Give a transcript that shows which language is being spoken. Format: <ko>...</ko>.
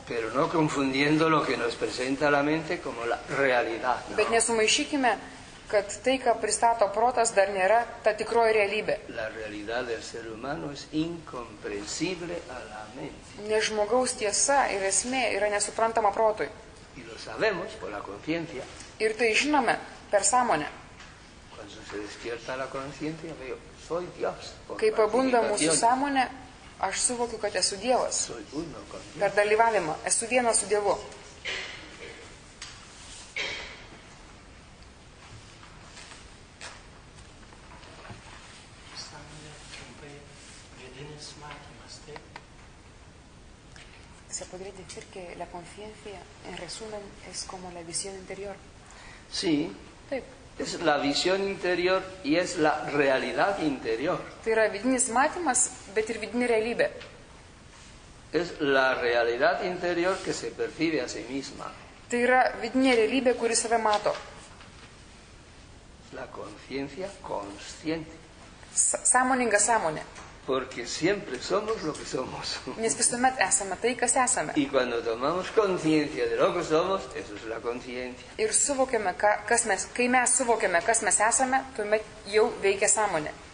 <es>Pero no confundiendo lo que nos presenta la mente como la realidad. No.</es> <lt>Bet nesumaišykime, kad tai, ką pristato protas, dar nėra ta tikroji realybė.</lt> <es>La realidad del ser humano es incomprensible a la mente.</es> <lt>Nes žmogaus tiesa ir esmė yra nesuprantama protui.</lt> <es>Y lo sabemos por la conciencia.</es> <lt>Ir tai žinome per sąmonę.</lt> <es>Cuando se despierta la conciencia, veo, soy Dios.</es> <lt>Kai pabunda mūsų sąmonė, aš suvokiu, kad esu Dievas. Per dalyvavimą, esu vienas su Dievu. Sąmonė trumpai vidinis matymas, taip?</lt> <es>se podría decir que la conciencia, en resumen, es como la visión interior. Sí, es la visión interior y es la realidad interior.</es> <lt>Tai yra vidinis matymas, bet ir vidinė realybė.</lt> <es>Es la realidad interior que se percibe a sí misma.</es> <lt>Tai yra vidinė realybė, kuri save mato.</lt> <es>La conciencia consciente.</es> <lt>Sąmoninga sąmonė.</lt> <es>Porque siempre somos lo que somos.</es> <lt>Nes visuomet esame tai, kas esame.</lt> <es>Y cuando tomamos conciencia de lo que somos, eso es la conciencia.</es> <lt>Ir suvokiame, kas mes, kai mes suvokiame, kas mes esame, tuomet jau veikia sąmonė.</lt>